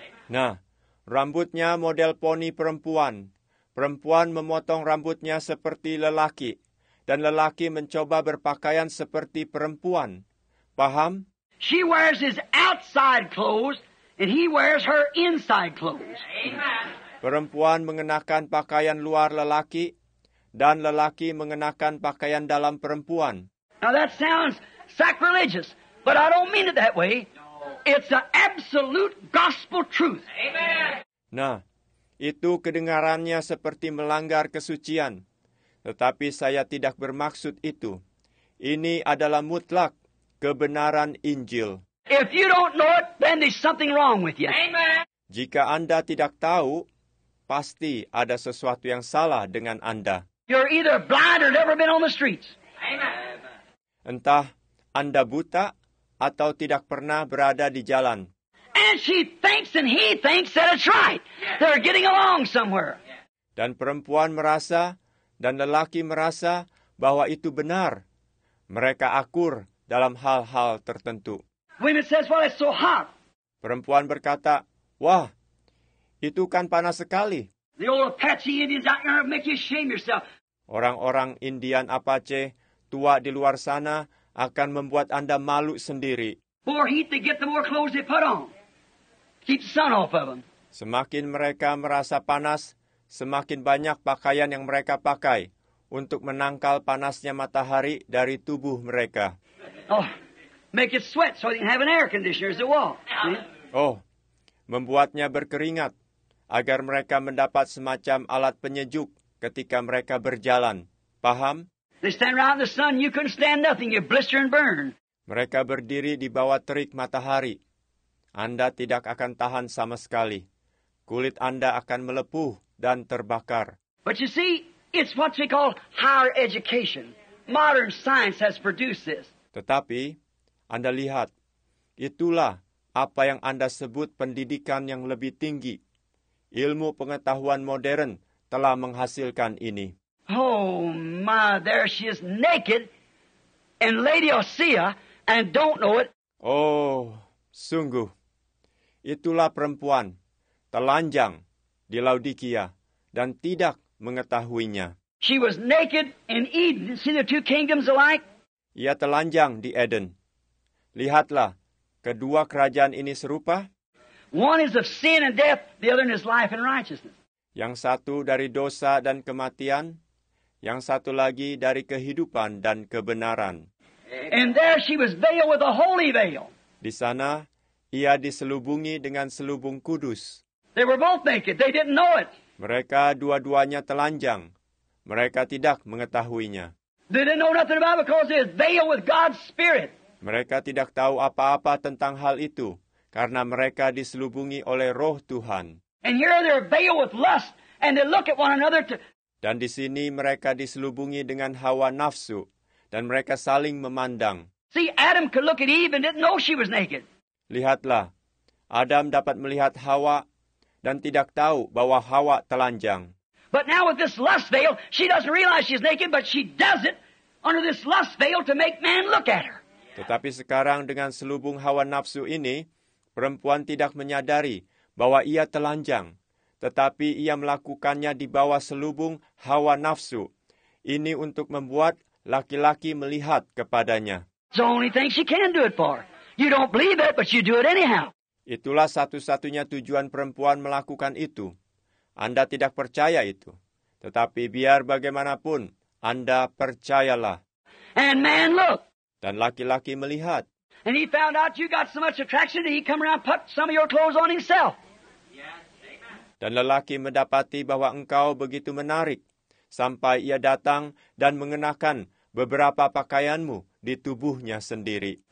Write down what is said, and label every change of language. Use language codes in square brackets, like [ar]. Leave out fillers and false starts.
[id] Nah, rambutnya model poni perempuan. Perempuan memotong rambutnya seperti lelaki. Dan lelaki mencoba berpakaian seperti perempuan. Paham? [en] She wears his outside clothes and he wears her inside clothes. [id] Perempuan mengenakan pakaian luar lelaki dan lelaki mengenakan pakaian dalam perempuan. [en] Now that sounds sacrilegious, but I don't mean it that way. It's an absolute gospel truth. Amen. [id] Nah, itu kedengarannya seperti melanggar kesucian. Tetapi saya tidak bermaksud itu. Ini adalah mutlak kebenaran Injil. [en] If you don't know it, then there's something wrong with you. Amen. [id] Jika Anda tidak tahu, pasti ada sesuatu yang salah dengan Anda. [en] You're either blind or never been on the streets. Amen. [id] Entah Anda buta atau tidak pernah berada di jalan. [en] And she thinks and he thinks that it's right. They're getting along somewhere. [id] Dan perempuan merasa dan lelaki merasa bahwa itu benar. Mereka akur dalam hal-hal tertentu. [en] Women says, well, it's so hot. [id] Perempuan berkata, wah, itu kan panas sekali. [en] The old Apache Indians out there make you shame yourself. [id] Orang-orang Indian Apache tua di luar sana akan membuat Anda malu sendiri. [en] More heat they get, the more clothes they put on. Keep the sun off of them. [id] Semakin mereka merasa panas, semakin banyak pakaian yang mereka pakai untuk menangkal panasnya matahari dari tubuh mereka. [en] Oh, make it sweat so you can have an air conditioner as well. [id] Oh, membuatnya berkeringat, agar mereka mendapat semacam alat penyejuk ketika mereka berjalan. Paham? [en] They stand around the sun, you couldn't stand nothing, you blister and burn. [id] Mereka berdiri di bawah terik matahari. Anda tidak akan tahan sama sekali. Kulit Anda akan melepuh dan terbakar. [en] But you see, it's what we call higher education. Modern science has produced this. [id] Tetapi, Anda lihat, itulah apa yang Anda sebut pendidikan yang lebih tinggi. Ilmu pengetahuan modern telah menghasilkan ini. [en] Oh my, there she is naked, and Lady Osea, and don't know it. [id] Oh, sungguh, itulah perempuan, telanjang, di Laodikia, dan tidak mengetahuinya. [en] She was naked in Eden. See the two kingdoms alike? [id] Ia telanjang di Eden. Lihatlah, kedua kerajaan ini serupa. [en] One is of sin and death, the other is life and righteousness. [id] Yang satu dari dosa dan kematian, yang satu lagi dari kehidupan dan kebenaran. [en] And there she was veiled with a holy veil. [id] Di sana, ia diselubungi dengan selubung kudus. [en] They were both naked. They didn't know it. [id] Mereka dua-duanya telanjang. Mereka tidak mengetahuinya. [en] They didn't know nothing about it because it was veiled with God's Spirit. [id] Mereka tidak tahu apa-apa tentang hal itu, karena mereka diselubungi oleh Roh Tuhan. [en] And here they're veiled with lust, and they look at one another to... [id] Dan di sini mereka diselubungi dengan hawa nafsu, dan mereka saling memandang. [en] See, Adam could look at Eve and didn't know she was naked. [id] Lihatlah, Adam dapat melihat Hawa dan tidak tahu bahwa Hawa telanjang. [en] But now with this lust veil, she doesn't realize she's naked, but she does it under this lust veil to make man look at her. [id] Tetapi sekarang dengan selubung hawa nafsu ini, perempuan tidak menyadari bahwa ia telanjang. Tetapi ia melakukannya di bawah selubung hawa nafsu. Ini untuk membuat laki-laki melihat kepadanya. [en] It's the only thing she can do it for. You don't believe it, but you do it anyhow. [id] Itulah satu-satunya tujuan perempuan melakukan itu. Anda tidak percaya itu. Tetapi biar bagaimanapun, Anda percayalah. [en] And man look. [id] Dan laki-laki melihat. [en] And he found out you got so much attraction that he come around put some of your clothes on himself. [id] Dan lelaki mendapati bahwa engkau begitu menarik, sampai ia datang dan mengenakan beberapa pakaianmu di tubuhnya sendiri.